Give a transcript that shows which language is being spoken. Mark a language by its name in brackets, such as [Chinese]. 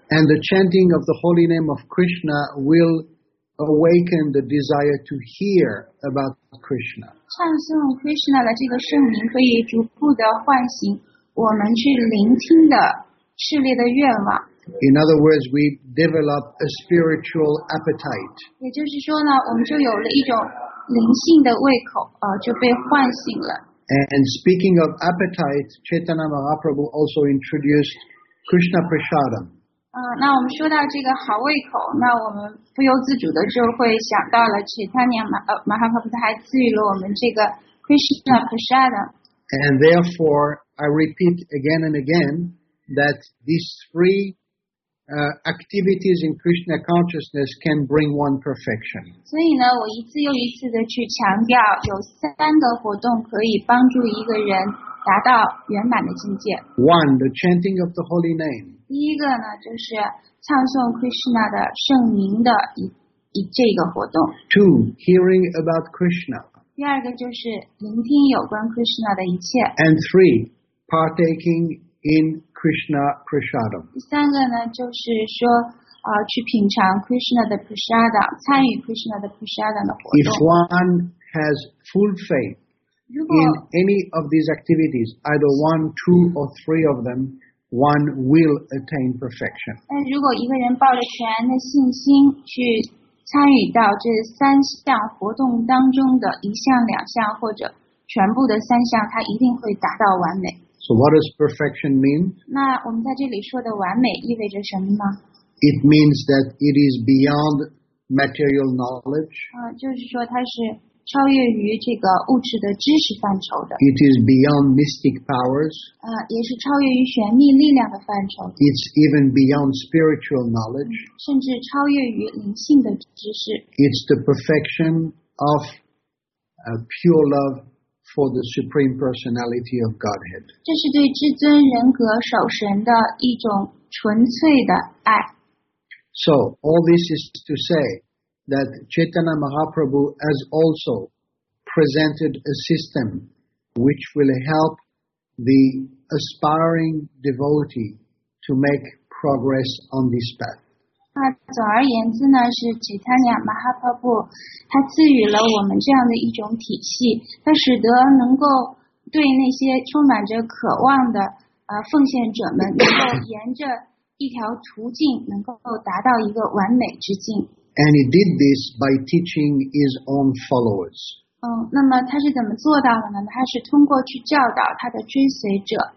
[English] And the chanting of the holy name of Krishna will awaken the desire to hear about Krishna. [Chinese] 唱诵 Krishna 的这个圣名可以逐步的唤醒。我们去聆听的炽烈的愿望。 [English] In other words, we develop a spiritual appetite. [Chinese] 也就是说呢，我们就有了一种灵性的胃口，就被唤醒了。 [English] And speaking of appetite, Chaitanya Mahaprabhu also introduced Krishna Prasadam. [Chinese] 那我们说到这个好胃口，那我们不由自主的就会想到了 Chaitanya Mahaprabhu 还赐予了我们这个 Krishna Prasadam. [English] And therefore,I repeat again and again that these three activities in Krishna consciousness can bring one perfection. [Chinese] 所以呢，我一次又一次的去强调，有三个活动可以帮助一个人达到圆满的境界。 [English] One, the chanting of the holy name. [Chinese] 第一个呢，就是唱诵 Krishna 的圣名的这个活动。 [English] Two, hearing about Krishna. [Chinese] 第二个就是聆听有关 Krishna 的一切。 [English] And three, partaking in Krishna Prasadam. [Chinese] 第三个呢，就是说，去品尝 Krishna 的 Prasadam， 参与 Krishna 的 Prasadam 的活动。 [English] If one has full faith in any of these activities, either one, two, or three of them, one will attain perfection. [Chinese] 但如果一个人抱着全然的信心去参与到这三项活动当中的一项、两项或者全部的三项，他一定会达到完美。 [English] So what does perfection mean? [Chinese] 那我们在这里说的完美意味着什么呢？ [English] It means that it is beyond material knowledge. [Chinese] 就是说它是超越于这个物质的知识范畴的。 [English] It is beyond mystic powers. [Chinese] 也是超越于玄秘力量的范畴。 [English] It's even beyond spiritual knowledge. [Chinese] 甚至超越于灵性的知识。 [English] It's the perfection of pure love for the Supreme Personality of Godhead. [Chinese] 这是对至尊人格守神的一种纯粹的爱。 [English] So, all this is to say,that Chaitanya Mahaprabhu has also presented a system which will help the aspiring devotee to make progress on this path. [Chinese] 总而言之呢，是 Chaitanya Mahaprabhu 他赐予了我们这样的一种体系，他使得能够对那些充满着渴望的奉献者们能够沿着一条途径能够达到一个完美之境。 [English] And he did this by teaching his own followers. [Chinese] 那么他是怎么做到的呢？他是通过去教导他的追随者。